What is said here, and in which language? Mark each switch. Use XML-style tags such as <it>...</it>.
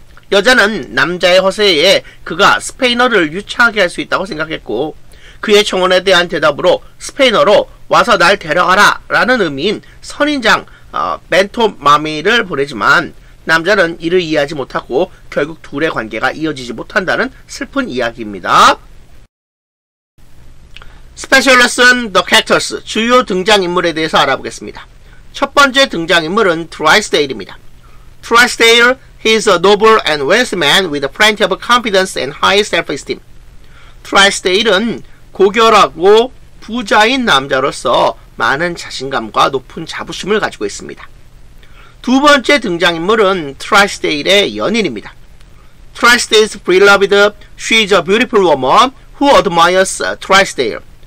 <ko>여자는 남자의 허세에 그가 스페인어를 유창하게 할 수 있다고 생각했고 그의 청혼에 대한 대답으로 스페인어로 와서 날 데려가라 라는 의미인 선인장 멘토 마미를 보내지만 남자는 이를 이해하지 못하고 결국 둘의 관계가 이어지지 못한다는 슬픈 이야기입니다.</ko> <en>Special Lesson The Characters</en> <ko>주요 등장인물에 대해서 알아보겠습니다. 첫 번째 등장인물은 트라이스데일입니다.</ko> <en>Trysdale, he is a noble and wise man with plenty of confidence and high self-esteem.</en> <ko>Trysdale은 고결하고 부자인 남자로서 많은 자신감과 높은 자부심을 가지고 있습니다. 두 번째 등장인물은 트라이스데일의 연인입니다.</ko> <en>Trysdale's beloved, she is a beautiful woman who admires Trysdale.</en>